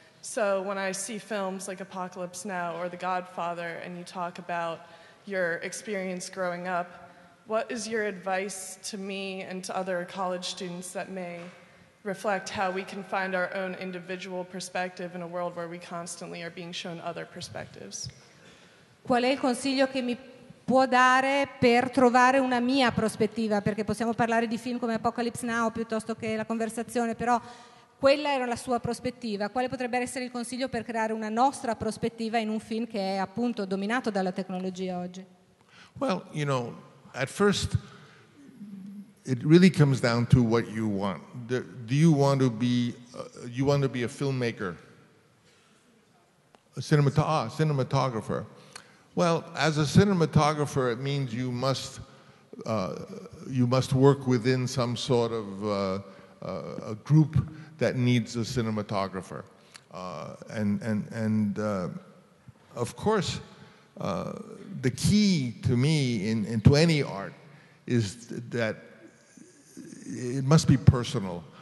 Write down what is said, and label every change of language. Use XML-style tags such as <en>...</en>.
<en>So when I see films like Apocalypse Now or The Godfather, and you talk about your experience growing up, what is your advice to me and to other college students that may reflect how we can find our own individual perspective in a world where we constantly are being shown other perspectives?</en> <it>Qual è il consiglio che mi può dare per trovare una mia prospettiva? Perché possiamo parlare di film come Apocalypse Now piuttosto che La Conversazione, però quella era la sua prospettiva. Quale potrebbe essere il consiglio per creare una nostra prospettiva in un film che è appunto dominato dalla tecnologia oggi?</it> <en>Well, you know, at first it really comes down to what you want. Do you want to be a filmmaker? A cinematographer. Well, as a cinematographer, it means you must work within some sort of a group that needs a cinematographer, and of course, the key to me in to any art is that it must be personal.</en>